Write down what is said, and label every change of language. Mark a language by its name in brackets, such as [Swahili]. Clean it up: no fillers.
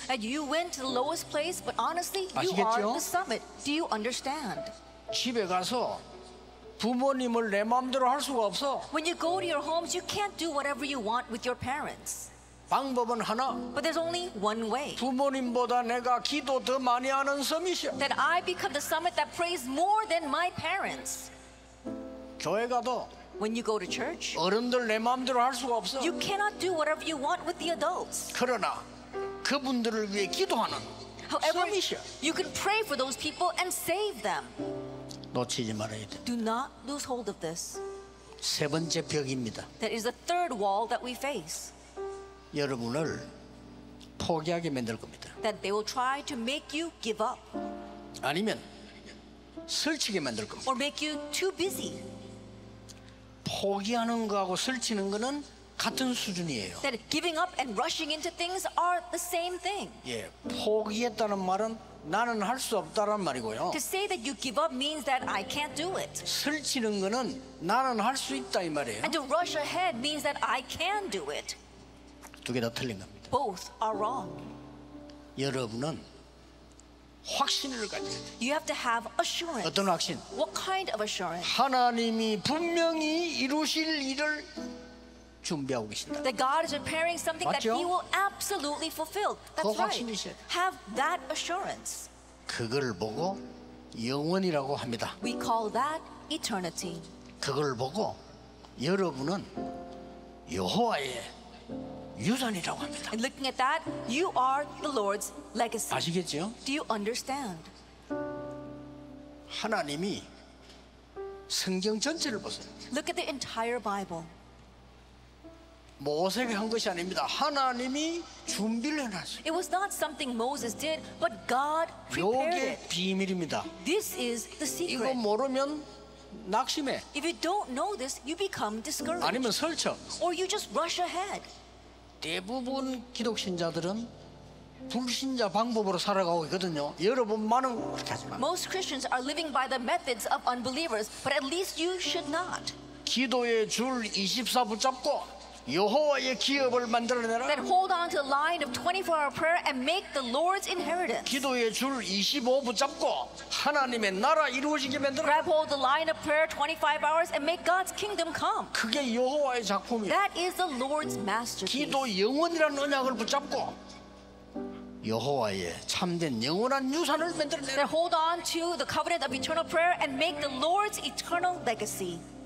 [English] And you went to the lowest place, but honestly, [Korean] 아시겠죠? [English] You are the summit. Do you understand? [Korean] 집에 가서 부모님을 내 마음대로 할 수가 없어. [English] When you go to your homes, you can't do whatever you want with your parents. [Korean] 방법은 하나. [English] But there's only one way. [Korean] 부모님보다 내가 기도 더 많이 하는 서밋이야. [English] That I become the summit that prays more than my parents. [Korean] 교회 가도. [English] When you go to church, [Korean] 어른들 내 마음대로 할 수가 없어. [English] You cannot do whatever you want with the adults. [Korean] 그러나 그분들을 위해 기도하는 서밋이야. [English] You can pray for those people and save them. [Korean] 놓치지 말아야 돼. [English] Do not lose hold of this. [Korean] 세 번째 벽입니다. [English] That is the third wall that we face. [Korean] 여러분을 포기하게 만들 겁니다. [English] That they will try to make you give up. [Korean] 아니면 설치게 만들 겁니다. [English] Or make you too busy. [Korean] 포기하는 거하고 설치는 거는 같은 수준이에요. [English] That giving up and rushing into things are the same thing. [Korean] 예, 포기했다는 말은 나는 할 수 없다라는 말이고요. [English] To say that you give up means that I can't do it. [Korean] 설치는 거는 나는 할 수 있다 이 말이에요. [English] And to rush ahead means that I can do it. [Korean] 두 개 다 틀린 겁니다. [English] Both are wrong. [Korean] 여러분은 확신을 가져야 돼. [English] You have to have assurance. [Korean] 어떤 확신? [English] What kind of assurance? [Korean] 하나님이 분명히 이루실 일을 준비하고 계신다. [English] That God is preparing something [Korean] 맞죠? [English] that He will absolutely fulfill. That's 그 right. [Korean] 확신이세요. [English] Have that assurance. [Korean] 그걸 보고 영원이라고 합니다. [English] We call that eternity. [Korean] 그걸 보고 여러분은 여호와의 유산이라고 합니다. [English] And looking at that, you are the Lord's legacy. [Korean] 아시겠죠? [English] Do you understand? [Korean] 하나님이 성경 전체를 보세요. [English] Look at the entire Bible. [Korean] 모세가 한 것이 아닙니다. 하나님이 준비를 해놨어요. [English] It was not something Moses did, but God prepared. [Korean] 요게 비밀입니다. [English] This is the secret. [Korean] 이거 모르면 낙심해. [English] If you don't know this, you become discouraged. [Korean] 아니면 설쳐. [English] Or you just rush ahead. [Korean] 대부분 기독신자들은 불신자 방법으로 살아가고 있거든요. 여러분만은 그렇게 하지 마. [English] Most Christians are living by the methods of unbelievers, but at least you should not. [Korean] 기도의 줄 24 붙잡고 여호와의 기업을 만들어내라. [English] Then hold on to the line of 24-hour prayer and make the Lord's inheritance. [Korean] 기도의 줄 25 붙잡고 하나님의 나라 이루어지게 만들어. [English] Grab hold the line of prayer 25 hours and make God's kingdom come. [Korean] 그게 여호와의 작품이야. [English] That is the Lord's masterpiece. [Korean] 기도 영원이라는 언약을 붙잡고 여호와의 참된 영원한 유산을 만들어내라. [English] Then hold on to the covenant of eternal prayer and make the Lord's eternal legacy.